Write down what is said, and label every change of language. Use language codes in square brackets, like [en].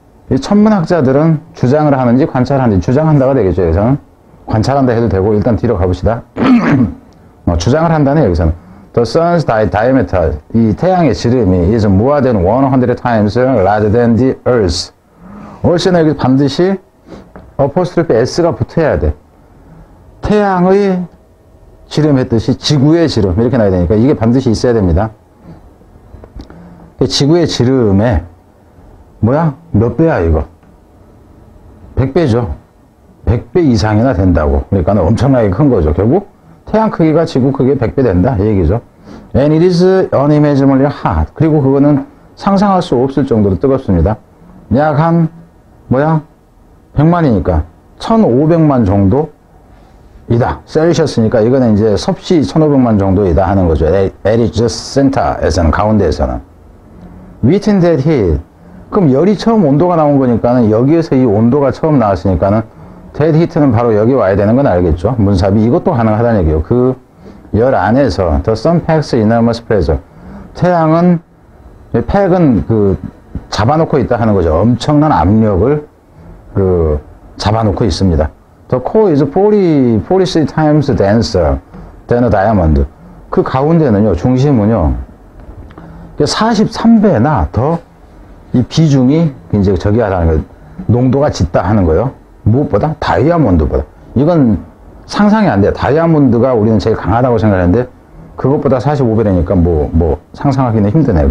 [ko] 이 천문학자들은 주장을 하는지 관찰하는지, 주장한다가 되겠죠. 여기서는 관찰한다 해도 되고 일단 뒤로 가봅시다. 주장을 한다네 여기서는. [en] The sun's diameter, [ko] 이 태양의 지름이 [en] is more than 100 times larger than the earth. [ko] earth는 여기 반드시 apostrophe s가 붙어야 돼. 태양의 지름했듯이 지구의 지름 이렇게 나와야 되니까 이게 반드시 있어야 됩니다. 지구의 지름에 뭐야? 몇 배야 이거? 100배죠. 100배 이상이나 된다고. 그러니까 엄청나게 큰 거죠. 결국 태양 크기가 지구 크기의 100배 된다 이 얘기죠. [en] And it is unimaginably hot. [ko] 그리고 그거는 상상할 수 없을 정도로 뜨겁습니다. 약한 뭐야? 100만이니까 1500만 정도 이다. 셀시어스니까 이거는 이제 섭씨 1500만 정도이다 하는 거죠. Erich Center에서는, 가운데에서는. [en] Within that heat. [ko] 그럼 열이 처음 온도가 나온 거니까는 여기에서 이 온도가 처음 나왔으니까는 that heat는 바로 여기 와야 되는 건 알겠죠. 문삽이 이것도 가능하다는 얘기예요. 그열 안에서 [en] the sun packs enormous pressure. [ko] 태양은 팩은 그 잡아놓고 있다 하는 거죠. 엄청난 압력을 그 잡아놓고 있습니다. [en] The core is 43 times denser than a diamond. [ko] 그 가운데는요, 중심은요, 43배나 더이 비중이 굉장히 저기하다는 거예요. 농도가 짙다 하는 거예요. 무엇보다? 다이아몬드보다. 이건 상상이 안 돼요. 다이아몬드가 우리는 제일 강하다고 생각하는데, 그것보다 45배라니까 상상하기는 힘드네요.